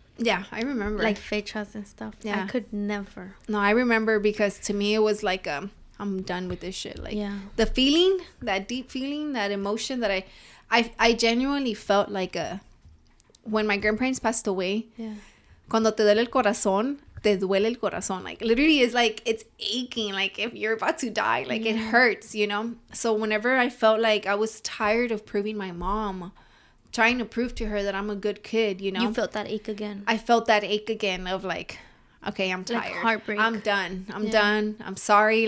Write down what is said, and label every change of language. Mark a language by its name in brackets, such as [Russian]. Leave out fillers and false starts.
[English] Yeah, I remember. Like fechas and stuff. Yeah. I could never. No, I remember because to me it was like, I'm done with this shit. Like, yeah. The feeling, that deep feeling, that emotion that I genuinely felt like when my grandparents passed away. Yeah. [Spanish] Cuando te duele el corazón, te duele el corazón. [English] Like, literally, it's like, it's aching. Like, if you're about to die, like, yeah. It hurts, you know? So whenever I felt like I was tired of proving my mom trying to prove to her that I'm a good kid, you know? You felt that ache again. I felt that ache again of like, okay, I'm tired. Like heartbreak. I'm done. I'm done. I'm sorry.